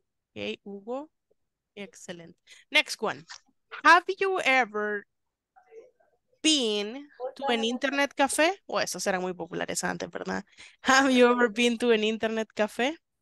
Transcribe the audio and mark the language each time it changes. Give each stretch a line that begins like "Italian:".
English: Okay, Hugo. Excellent. Next one. Have you ever been to an internet cafe?
Spanish: O oh, esas eran muy populares antes, ¿verdad?
English: Have you ever been to an internet cafe?